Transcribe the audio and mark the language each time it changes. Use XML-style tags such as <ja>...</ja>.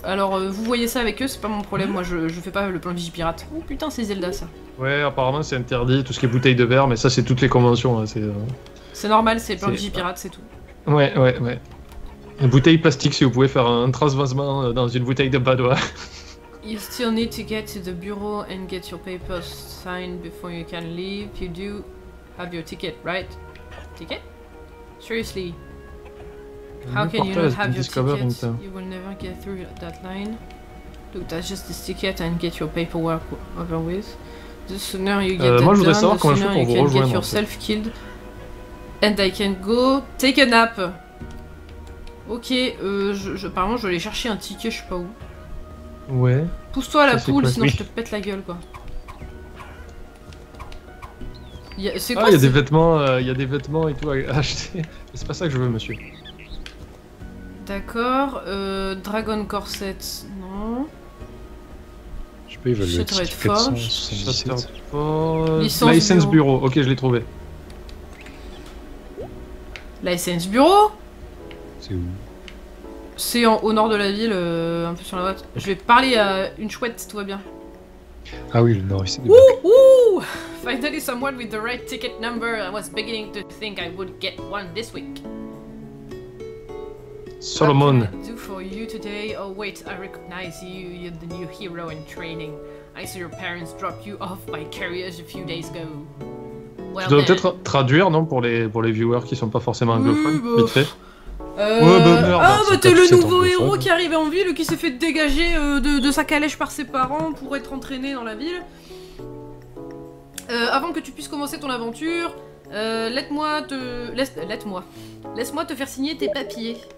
<fr>Alors, vous voyez ça avec eux, c'est pas mon problème. Moi, je fais pas le plan Vigipirate. Oh putain, c'est Zelda, ça. Ouais, apparemment, c'est interdit, tout ce qui est bouteilles de verre, mais ça, c'est toutes les conventions. Hein. C'est normal, c'est le plan Vigipirate, c'est tout. Ouais. Une bouteille plastique, si vous pouvez faire un transvasement dans une bouteille de Badoit.</fr> <en>You still need to get to the bureau and get your papers signed before you can leave. You do have your ticket, right? Ticket? Seriously. How can you not have your ticket? You will never get through that line. Look, that's just this ticket and get your paperwork over with. The sooner you get that done, the sooner you can get yourself killed. And I can go take a nap.</en> <fr>Ok, apparemment je vais aller chercher un ticket, je sais pas où. Ouais. Pousse-toi à la poule, sinon je te pète la gueule, quoi. Y a des vêtements et tout à acheter. C'est pas ça que je veux, monsieur. D'accord, Dragon Corset, non. Je peux évaluer. Shattered Forge. Shattered Forge. License Bureau. Ok, je l'ai trouvé. License Bureau. C'est où? C'est au nord de la ville, un peu sur la droite. Je vais parler à une chouette, tout va bien. Ah oui, le nord ici.</fr> <en>Ouh, ouh! Finally someone with the right ticket number. I was beginning to think I would get one this week. Solomon. What can I do for you today? Oh wait, I recognize you. You're the new hero in training. I saw your parents drop you off by carriage a few days ago.</en> <fr>Well, tu dois peut-être traduire, non, pour les viewers qui sont pas forcément anglophones, oui, vite fait. T'es le nouveau héros qui est arrivé en ville, qui s'est fait dégager de sa calèche par ses parents pour être entraîné dans la ville. Avant que tu puisses commencer ton aventure, laisse-moi te faire signer tes papiers.</fr>